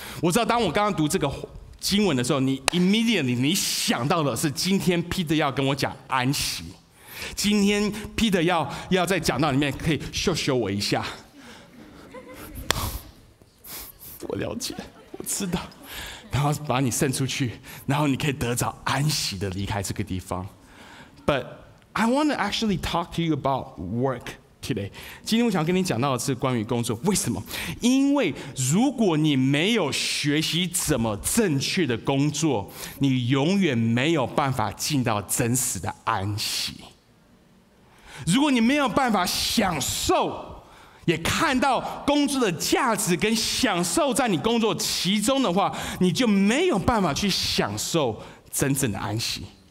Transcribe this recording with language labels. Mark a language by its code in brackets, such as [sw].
[zh] 我知道当我刚刚读这个经文的时候，你 immediately 你想到的是今天 Peter 要跟我讲安息。今天 Peter 要在讲道里面可以秀我一下。我了解，我知道。然后把你送出去，然后你可以得着安息的离开这个地方。 [en] But I want to actually talk to you about work today. [zh] 今天我想跟你讲到的是关于工作。为什么？因为如果你没有学习怎么正确的工作，你永远没有办法进到真实的安息。如果你没有办法享受也看到工作的价值跟享受在你工作其中的话，你就没有办法去享受真正的安息。